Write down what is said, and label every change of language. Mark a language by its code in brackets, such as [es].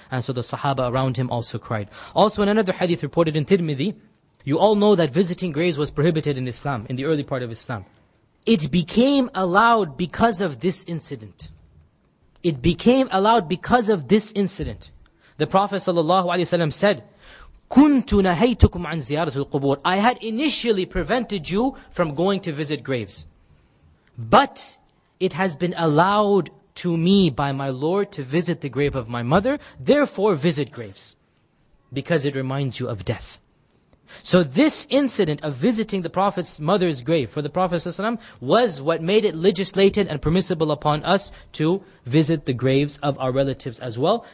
[en] And so the Sahaba around him also cried. Also in another hadith reported in Tirmidhi, you all know that visiting graves was prohibited in Islam, in the early part of Islam. It became allowed because of this incident. It became allowed because of this incident. The Prophet ﷺ said, [ar] كُنْتُ نَهَيْتُكُمْ عَنْ زِيَارَةُ الْقُبُورِ. [en] I had initially prevented you from going to visit graves. But it has been allowed to me by my Lord to visit the grave of my mother. Therefore, visit graves. Because it reminds you of death. So this incident of visiting the Prophet's mother's grave for the Prophet ﷺ was what made it legislated and permissible upon us to visit the graves of our relatives as well.